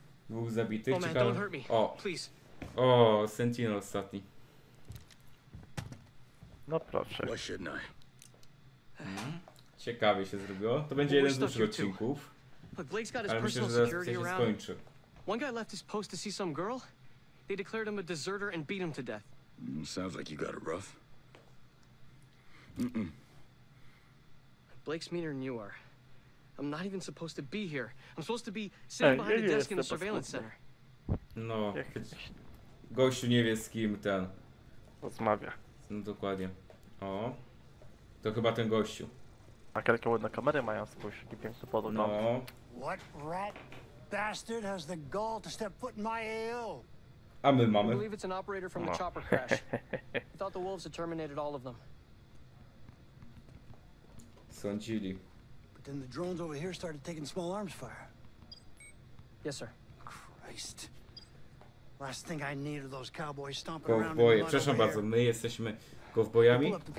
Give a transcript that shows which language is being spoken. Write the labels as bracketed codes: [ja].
[pl] Był zabity, ciekawe. O, o, Sentinel ostatni. No proszę. Ciekawie się zrobiło. To będzie jeden z dłuższych odcinków. Ale myślę, że zaraz się skończy. [en] One guy left his post to see some girl. They declared him a deserter and beat him to death. Sounds like you got it rough. Blake's meaner than you are. I'm not even supposed to be here. I'm supposed to be sitting behind the desk in the surveillance center. [pl] No. Gościu nie wie z kim ten. Rozmawia. No dokładnie. O. To chyba ten gościu. A jakie ładne kamery mają, spójrz, jaki piękny podgląd. [en] No. What rat? Bastard has the gall to step foot in my AO. [pl] A my mamy. [en] I believe it's an operator from the chopper crash. I thought the wolves had terminated all of them. [pl] Sądzili. [en] But then the drones over here started taking small arms fire. Yes, sir. Christ. Last thing I need are those cowboys stomping around. [pl] Cowboy, przepraszam bardzo, my jesteśmy kowbojami.